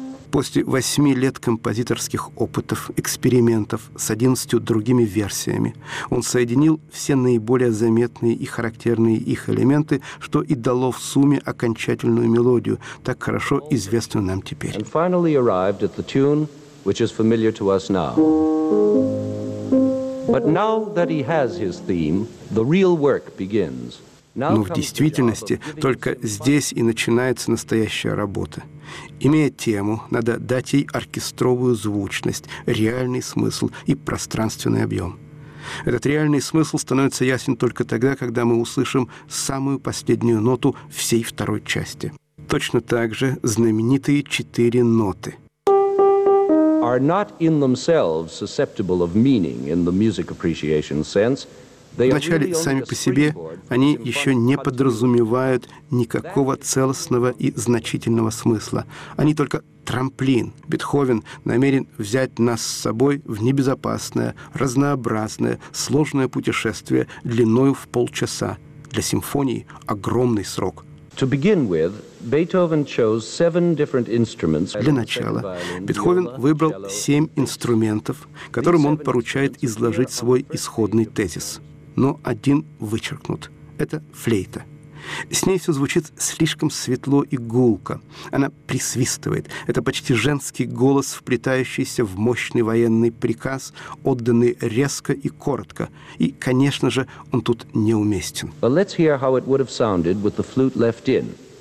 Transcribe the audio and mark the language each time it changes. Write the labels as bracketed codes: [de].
[ru] После 8 лет композиторских опытов, экспериментов с 11 другими версиями, он соединил все наиболее заметные и характерные их элементы, что и дало в сумме окончательную мелодию, так хорошо известную нам теперь. [en] And finally arrived at the tune, which is familiar to us now. But now that he has his theme, the real work begins. [ru] Но в действительности только здесь и начинается настоящая работа. Имея тему, надо дать ей оркестровую звучность, реальный смысл и пространственный объем. Этот реальный смысл становится ясен только тогда, когда мы услышим самую последнюю ноту всей второй части. Точно так же знаменитые четыре ноты. [en] Are not in themselves susceptible of meaning in the music appreciation sense. [ru] Вначале, сами по себе, они еще не подразумевают никакого целостного и значительного смысла. Они только трамплин. Бетховен намерен взять нас с собой в небезопасное, разнообразное, сложное путешествие длиною в полчаса. Для симфонии огромный срок. [en] To begin with, Beethoven chose seven different instruments. [ru] Для начала Бетховен выбрал 7 инструментов, которым он поручает изложить свой исходный тезис. Но один вычеркнут. Это флейта. С ней все звучит слишком светло и гулко. Она присвистывает. Это почти женский голос, вплетающийся в мощный военный приказ, отданный резко и коротко. И, конечно же, он тут неуместен. [en] But let's hear how it would have sounded with the flute left in.